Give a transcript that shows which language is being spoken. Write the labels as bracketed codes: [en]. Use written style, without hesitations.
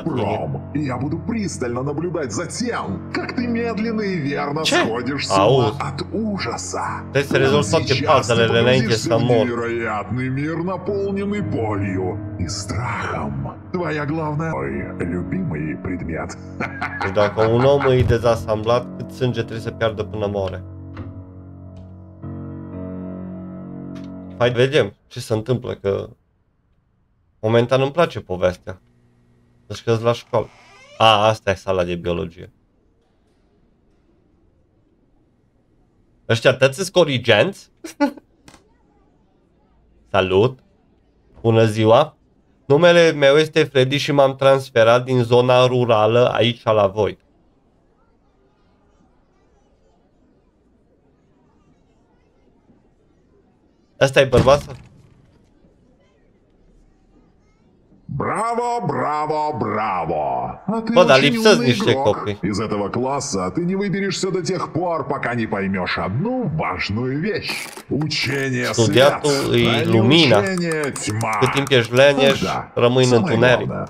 [ru] тебе. Я буду пристально наблюдать за тем, как ты медленно и верно сходишь с ума от ужаса. Ты с результатом пазлы леленьки самой. Невероятный мир, наполненный болью и страхом. Твоя главная... Мой любимый предмет. [ro] Dacă un om e dezasamblat, cât sânge trebuie să piardă până moare? Hai, vedem ce se întâmplă, că momentan îmi place povestea. Să-și căzi la școală. A, asta e sala de biologie. Ăștia tăți sunt corigenți? Salut! Bună ziua! Numele meu este Freddy și m-am transferat din zona rurală aici la voi. Asta e bărbasă? Bravo, bravo, bravo! Bă, dar lipsesc niște copii. [ru] Из этого класса ты не выберешься до тех пор, пока не поймешь одну важную вещь. Учение света. [ro] Студиатул и лумина. Cât timp ești леняш, rămâi în întuneric.